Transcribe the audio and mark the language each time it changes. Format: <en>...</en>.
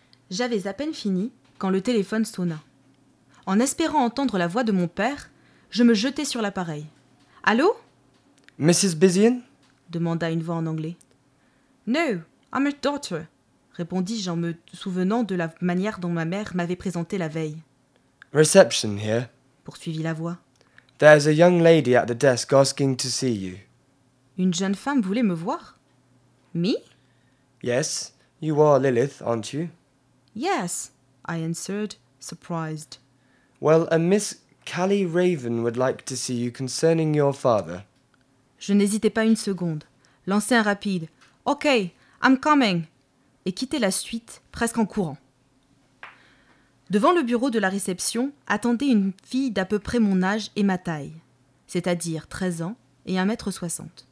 <fr>J'avais à peine fini quand le téléphone sonna. En espérant entendre la voix de mon père, je me jetai sur l'appareil. « Allô ?»«</fr> <en>Mrs. Bizian ?»</en> <fr>demanda une voix en anglais. «</fr> <en>No, I'm a daughter</en> <fr>», répondis-je en me souvenant de la manière dont ma mère m'avait présenté la veille.</fr> <en>« Reception here »,</en> <fr>poursuivit la voix. «</fr> <en>There's a young lady at the desk asking to see you.</en> <fr>Une jeune femme voulait me voir.</fr> <en>Me? Yes, you are Lilith, aren't you? Yes, I answered, surprised. Well, a Miss Callie Raven would like to see you concerning your father.</en> <fr>Je n'hésitais pas une seconde. Lancé un rapide.</fr> <en>OK, I'm coming.</en> <fr>Et quitté la suite, presque en courant. Devant le bureau de la réception, attendait une fille d'à peu près mon âge et ma taille, c'est-à-dire 13 ans et 1m60.</fr>